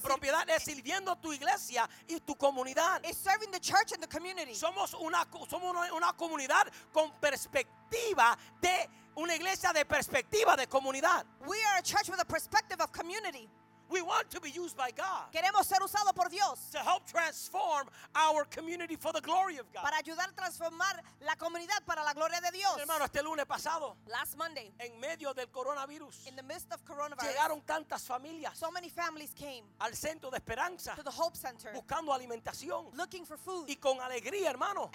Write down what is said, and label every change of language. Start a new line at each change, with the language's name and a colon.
Spanish: propiedad, es sirviendo a tu iglesia y tu comunidad.
English: Is serving the church and the community.
Spanish: Somos una comunidad con perspectiva de una iglesia de perspectiva de comunidad.
English: We are a church with a perspective of community. We want to be used by God.
Spanish: Queremos ser usado por Dios.
English: To help transform our community for the glory of God.
Spanish: Para ayudar a transformar la comunidad para la gloria de Dios. Hermano, este lunes pasado,
English: last Monday,
Spanish: en medio del coronavirus,
English: in the midst of coronavirus,
Spanish: llegaron tantas familias,
English: so many families came,
Spanish: al centro de esperanza,
English: to the Hope Center,
Spanish: buscando alimentación,
English: looking for food,
Spanish: y con alegría, hermano,